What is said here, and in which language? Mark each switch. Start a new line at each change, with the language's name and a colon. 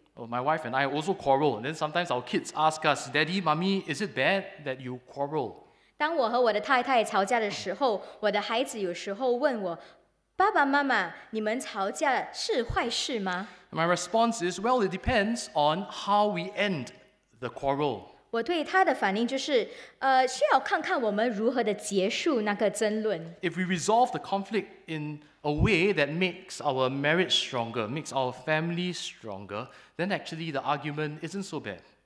English: Well, my wife and I also quarrel, and then sometimes our kids ask us, Daddy, Mommy, is it bad that you quarrel?
Chinese: 当我和我的太太吵架的时候，我的孩子有时候问我，爸爸妈妈，你们吵架是坏事吗？
English: My response is, well, it depends on how we end the quarrel.
Chinese: 我对他的反应就是，需要看看我们如何地结束那个争论。
English: If we resolve the conflict in a way that makes our marriage stronger, makes our family stronger, then actually the argument isn't so bad.